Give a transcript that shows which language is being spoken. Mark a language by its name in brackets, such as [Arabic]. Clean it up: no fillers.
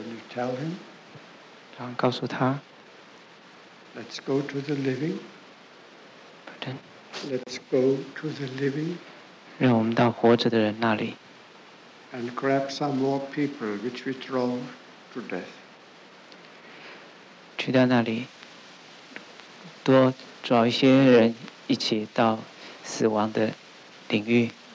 [English] Tell him. [Chinese] 然后告诉他。 [English] Let's go to the living. Pardon. Let's go to the living. [Chinese] 让我们到活着的人那里。 [English] And grab some more people which we draw to death. [Chinese] 去到那里，多找一些人一起到死亡的领域。